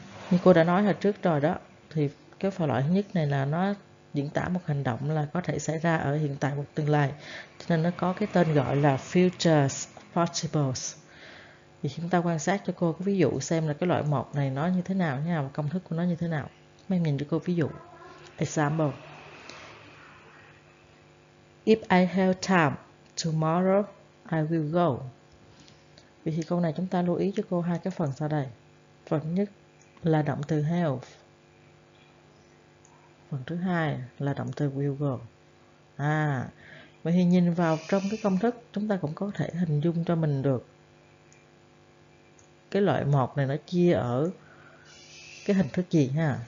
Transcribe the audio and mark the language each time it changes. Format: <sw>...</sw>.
<vi>Như cô đã nói hồi trước rồi đó, thì cái phần loại thứ nhất này là nó diễn tả một hành động là có thể xảy ra ở hiện tại hoặc tương lai, cho nên nó có cái tên gọi là future possibles. Thì chúng ta quan sát cho cô cái ví dụ xem là cái loại một này nó như thế nào nha, công thức của nó như thế nào. Mấy em nhìn cho cô ví dụ. Example:</vi> <en>If I have time tomorrow, I will go.</en> <vi>Vậy thì câu này chúng ta lưu ý cho cô hai cái phần sau đây. Phần nhất là động từ have. Phần thứ hai là động từ will go. À, vậy thì nhìn vào trong cái công thức, chúng ta cũng có thể hình dung cho mình được cái loại một này nó chia ở cái hình thức gì ha.</vi>